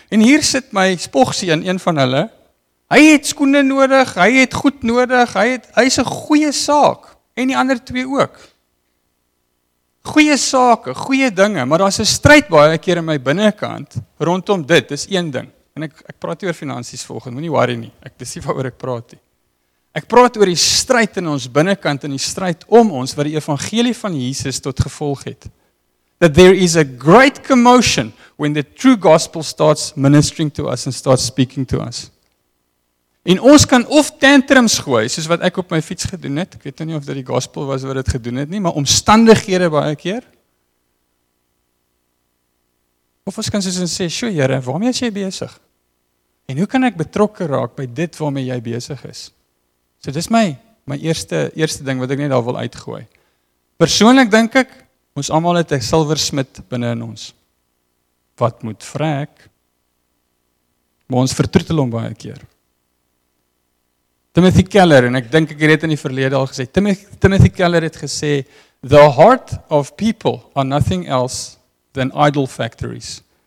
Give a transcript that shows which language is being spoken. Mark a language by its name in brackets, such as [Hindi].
[Afrikaans] En hier sit my spogseun, een van hulle. Hy het skoene nodig, hy het goed nodig, hy is 'n goeie saak. En die ander twee ook. Goeie sake, goeie dinge, maar daar's 'n stryd baie keer in my binnenkant rondom dit. Dis een ding. En ek praat nie oor finansies volgende, moenie worry nie. Ek dis nie waaroor ek praat nie. Ek praat oor die stryd in ons binnenkant en die stryd om ons wat die evangelie van Jesus tot gevolg het. [English] That there is a great commotion when the true gospel starts ministering to us and starts speaking to us. [Afrikaans] En ons kan of tantrums gooi, soos wat ek op my fiets gedoen het, ek weet nou nie of dit die gospel was wat dit gedoen het nie, maar omstandighede baie keer. Of ons kan soos en sê, "Sjoe Here, waarmee is jy besig? En hoe kan ek betrokke raak by dit waarmee jy besig is?" So dis my eerste ding wat ek net daar wil uitgooi. Persoonlik dink ek, ons almal het 'n silversmid binne in ons. Wat moet vrek? Maar ons vertroetel hom baie keer. Timothy Keller, en ek dink ek het dit in die verlede al gesê, Timothy Keller het gesê, [English] "The heart of people are nothing else than idol factories.